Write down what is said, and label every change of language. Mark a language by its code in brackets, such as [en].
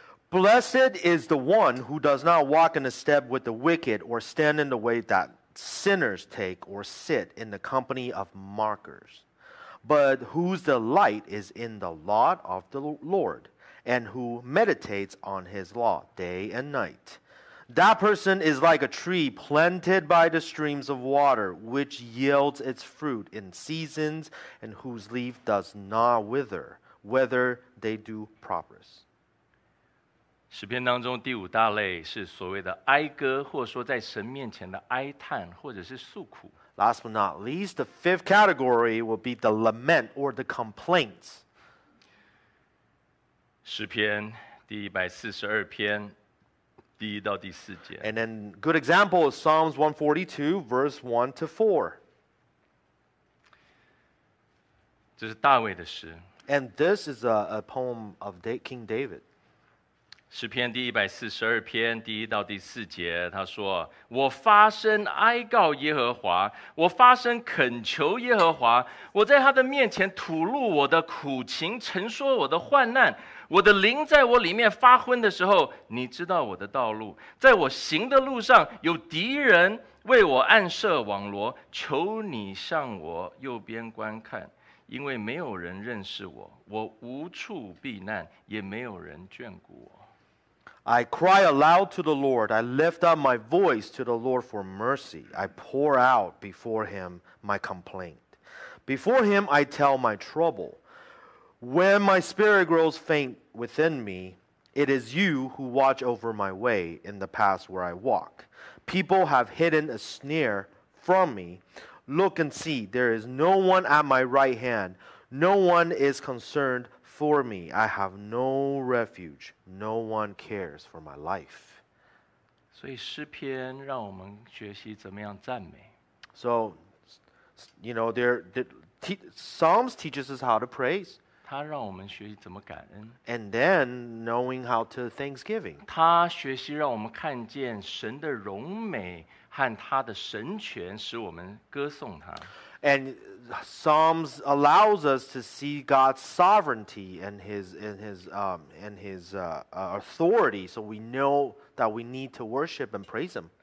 [en] Blessed is the one who does not walk in the step with the wicked, or stand in the way that sinners take, or sit in the company of mockers, but whose delight is in the law of the Lord, and who meditates on his law day and night. That person is like a tree planted by the streams of water, which yields its fruit in seasons, and whose leaf does not wither, whether they do prosperous. [zh] 诗篇当中第五大类是所谓的哀歌，或说在神面前的哀叹，或者是诉苦。 [en] Last but not least, the fifth category will be the lament or the complaints. [zh] 诗篇第一百四十二篇。第一到第四节。 [en] And then, good example is Psalms 142, verse 1 to 4. [zh] 这是大卫的诗。 [en] And this is a poem of King David. [zh] 诗篇第一百四十二篇第一到第四节，他说：“我发声哀告耶和华，我发声恳求耶和华，我在他的面前吐露我的苦情，陈说我的患难。” 我的灵在我里面发昏的时候，你知道我的道路，在我行的路上有敌人为我暗设网罗，求你向我右边观看，因为没有人认识我，我无处避难，也没有人眷顾我。 [en] I cry aloud to the Lord, I lift up my voice to the Lord for mercy, I pour out before him my complaint, before him I tell my troubleWhen my spirit grows faint within me, it is you who watch over my way in the paths where I walk. People have hidden a snare from me. Look and see, there is no one at my right hand. No one is concerned for me. I have no refuge. No one cares for my life. [zh] 所以诗篇让我们学习怎么样赞美。 [en] So, you know, Psalms teaches us how to praise. [zh] 他让我们学习怎么感恩。 [en] And then knowing how to thanksgiving. [zh] 他学习让我们看见神的荣美和他的神权，使我们歌颂他。 [en] And Psalms allows us to see God's sovereignty and his authority, so we know that we need to worship and praise him.